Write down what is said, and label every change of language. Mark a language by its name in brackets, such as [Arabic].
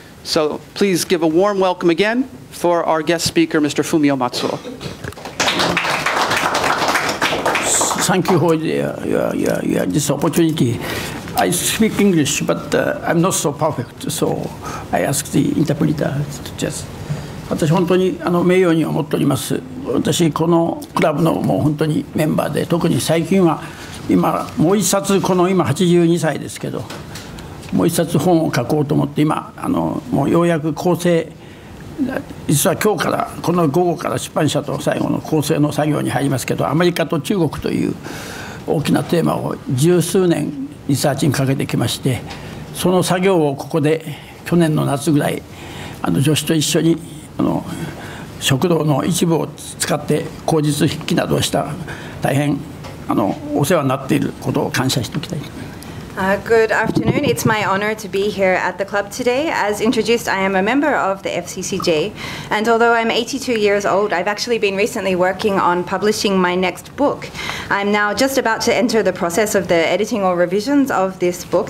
[English] So please give a warm welcome again for our guest speaker, Mr. Fumio Matsuo. Thank you for this opportunity. I speak English, but I'm not so perfect, so I ask the interpreter to just. [Japanese] 私本当にあの名誉に思っております。私このクラブのもう本当にメンバーで、特に最近は今もう一冊この今82歳ですけど、もう一冊本を書こうと思って今あのもうようやく構成。実は今日からこの午後から出版社と最後の構成の作業に入りますけど、アメリカと中国という大きなテーマを十数年リサーチにかけてきまして、その作業をここで去年の夏ぐらいあの助手と一緒にあの食堂の一部を使って口述筆記などをした、大変あのお世話になっていることを感謝しておきたい。 [English] Good afternoon. It's my honor to be here at the club today. As introduced, I am a member of the FCCJ. And although I'm 82 years old, I've actually been recently working on publishing my next book. I'm now just about to enter the process of the editing or revisions of this book.